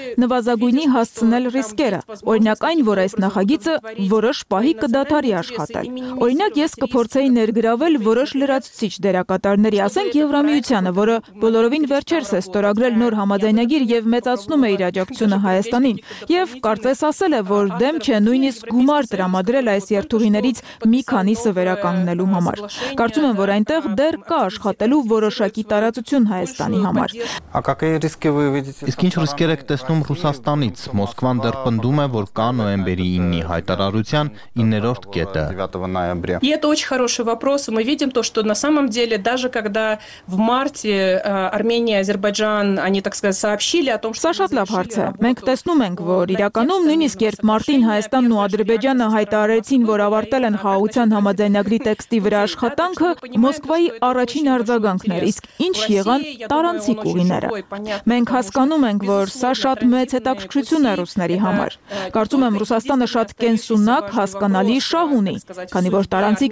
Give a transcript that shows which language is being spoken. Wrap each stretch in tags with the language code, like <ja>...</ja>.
<hy>նվազագույնի հասցնել ռիսկերը, օրինակ այն, որ այս նախագիծը որոշ պահի կդադարի աշխատել, օրինակ ես կփորձեի ներգրավել որոշ լրացուցիչ դերակատարների, ասենք Եվրամիությանը, որը բոլորովին վերջերս է ստորագրել նոր համաձայնագիր եւ մեծացնում է իր աջակցությունը Հայաստանին, եւ կարծես ասել է, որ դեմ չէ նույնիսկ գումար տրամադրել այս երթուղիներից մի քանիսը վերականգնելու համար։ Կարծում եմ, որ այնտեղ դեռ կա աշխատելու որոշակի տարածություն Հայաստանի համար։ Իսկ ինչ ռիսկեր եք տեսնում Ռուսաստանից։ Մոսկվան դեռ պնդում է, որ կա նոյեմբերի 9-ի հայտարարության 9-րդ կետը։</hy> <ru>И это очень хороший вопрос. Мы видим то, что на самом деле даже когда в марте Армения и Азербайджан, они так сказать, сообщили о том, что</ru> <hy>Сашат лав харце. Մենք տեսնում ենք, որ իրականում նույնիսկ երբ մարտին Հայաստանն ու Ադրբեջանը հայտարարեցին, որ ավարտել են խաղաղության համաձայնագրի տեքստի վրա աշխատանքը, Մոսկվայի առաջին արձագանքն էր, իսկ ինչ եղան տարանցի կողիները։ Մենք հասկանում ենք, որ սա շատ մեծ հետաքրքրություն է ռուսների համար։ Կարծում եմ, Ռուսաստանը շատ կենսունակ հասկանալի շահ ունի, քանի որ տարանցի</hy>